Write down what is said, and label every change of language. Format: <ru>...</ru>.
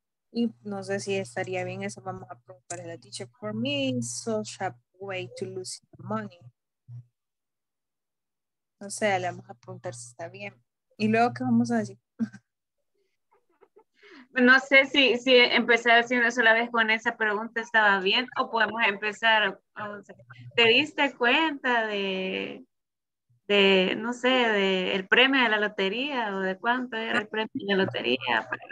<es>Y no sé si estaría bien eso, vamos a preguntarle a la teacher.</es> <en>For me, such a way to lose the money.</en> <es>No sé, le vamos a preguntar si está bien. Y luego, ¿qué vamos a decir? No sé si empezar haciendo eso la vez con esa pregunta estaba bien o podemos empezar, vamos a ver, ¿te diste cuenta de no sé, de el premio de la lotería o de cuánto era el premio de la lotería?</es>